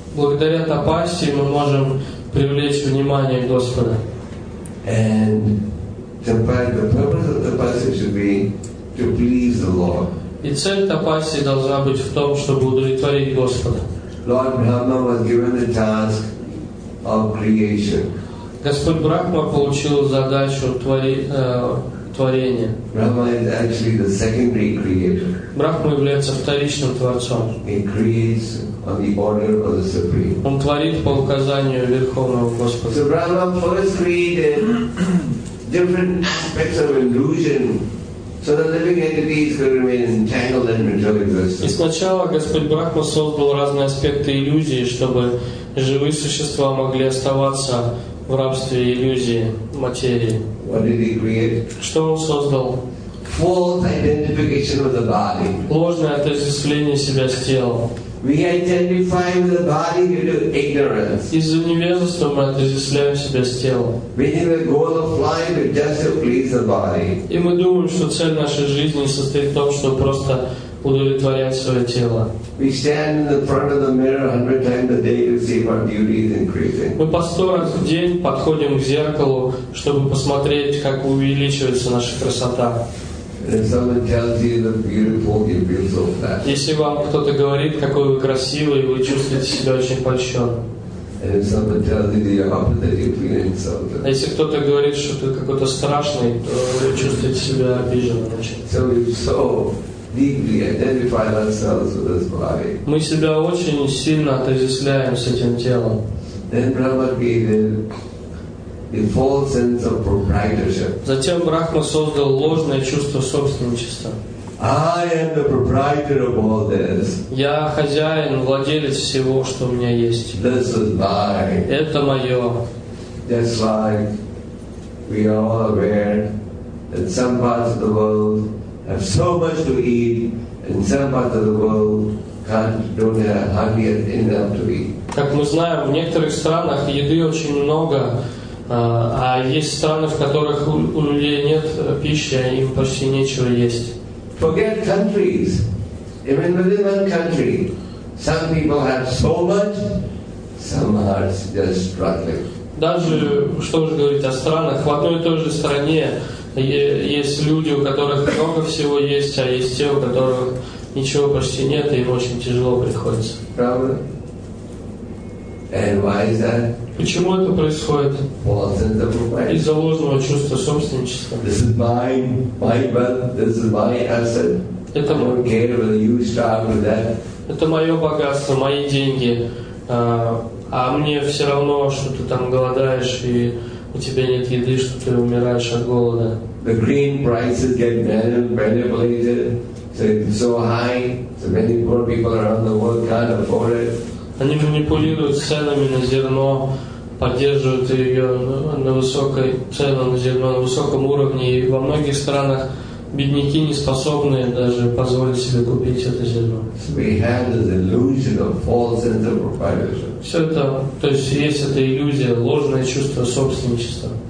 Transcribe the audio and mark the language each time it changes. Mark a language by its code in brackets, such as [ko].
[ru] Благодаря тапасе мы можем привлечь внимание Господа. [en] And the purpose of tapasya should be to please the Lord. [ru] И цель тапаси должна быть в том, чтобы удовлетворить Господа. [en] Lord Brahma was given the task of creation. [ru] Господь Брахма получил задачу творения. [en] Brahma is actually the secondary creator. [ru] Брахма является вторичным творцом. [en] He creates on the order of the Supreme. [ru] Он творит по указанию Верховного Господа. [en] So Brahma first created different aspects of illusion. So the living entities could remain entangled in material existence. [ru] И сначала Господь Брахма создал разные аспекты иллюзии, чтобы живые существа могли оставаться в рабстве иллюзии материи. [en] What did he create? [ru] Что он создал? [en] False identification of the body. [ru] Ложное отождествление себя с телом. [en] We identify with the body due to ignorance. [ru] Из-за невежества мы отождествляем себя с телом. [en] We think the goal of life is just to please the body. [ru] И мы думаем, что цель нашей жизни состоит в том, чтобы просто удовлетворять свое тело. [en] We stand in the front of the mirror 100 times a day to see if our beauty is increasing. [ru] Мы по 100 раз в день подходим к зеркалу, чтобы посмотреть, как увеличивается наша красота. [en] If someone tells you that beautiful, you feel so fat. [ru] Если вам кто-то говорит, какой вы красивый, вы чувствуете себя очень польщен. [en] And if someone tells you you're ugly, that you feel insulted. [ru] А если кто-то говорит, что ты какой-то страшный, то вы чувствуете себя обиженным очень. [en] So we so deeply identify ourselves with this body. [ru] Мы себя очень сильно отождествляем с этим телом. [en] Then Brahma created the false sense of proprietorship. [ru] Затем Брахма создал ложное чувство собственничества. [en] I am the proprietor of all this. [ru] Я хозяин, владелец всего, что у меня есть. [en] This is mine. [ru] Это мое. [en] That's why we are all aware that some parts of the world have so much to eat, and some parts of the world don't have hardly enough to eat. [ru] Как мы знаем, в некоторых странах еды очень много. А есть страны, в которых у людей нет пищи, а им почти нечего есть. [en] Forget countries. Even within one country, some people have so much, some are just struggling. [ru] Даже, что уже говорить о странах, в одной и той же стране есть люди, у которых много всего есть, а есть те, у которых ничего почти нет, и им очень тяжело приходится. Правда? [en] And why is that? [ru] Почему это происходит? Из-за ложного чувства собственничества. [en] This is mine, my wealth, this is my asset. [ru] Это [en] I don't care whether you starve with that. [ru] Это мое богатство, мои деньги. А мне все равно, что ты там голодаешь, и у тебя нет еды, что ты умираешь от голода. [en] The green prices get manipulated, so it's so high, so many poor people around the world can't afford it. [ru] Они манипулируют ценами на зерно, поддерживают ее на высокой цену на зерно на высоком уровне. И во многих странах бедняки не способны даже позволить себе купить это зерно. Все это, то есть есть эта иллюзия, ложное чувство собственничества.